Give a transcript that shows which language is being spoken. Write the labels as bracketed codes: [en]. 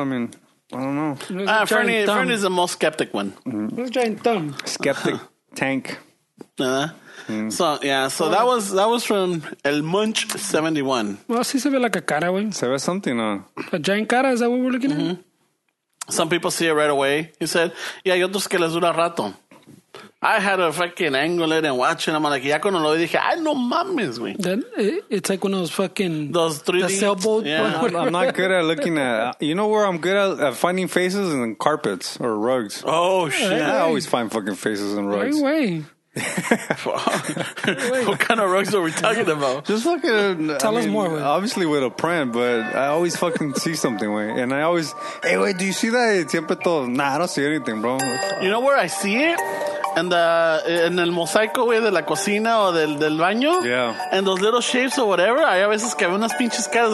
[en] I mean, I don't know. Fern is the most skeptic one. Mm-hmm. Giant thumb. Skeptic tank. So that was from El Munch 71. Well, [es] sí se ve like a cara, güey. Se ve something, ¿no? [en] A giant cara, is that what we're looking mm-hmm. at? Some people see it right away. He said, [es] y hay otros que les dura rato. [en] I had a fucking angle it and watch it. I'm like, [es] ya cuando lo vi, dije, ay, no mames, güey. [en] Then it's like one of those fucking... Those 3D... The sailboat. Yeah. I'm not good at looking at... You know where I'm good at finding faces? In carpets or rugs. Oh, shit. Hey. I always find fucking faces in rugs. No way. What kind of rugs are we talking about? Just fucking tell us more, man. Obviously with a print, but I always fucking see something, wait. And I always, hey, wait, do you see that? [es] Siempre todo. [en] Nah, I don't see anything, bro. You know where I see it? [es] En el mosaico, güey, de la cocina o del baño. [en] Yeah. And those little shapes or whatever. [es] Hay a veces que veo unas pinches caras.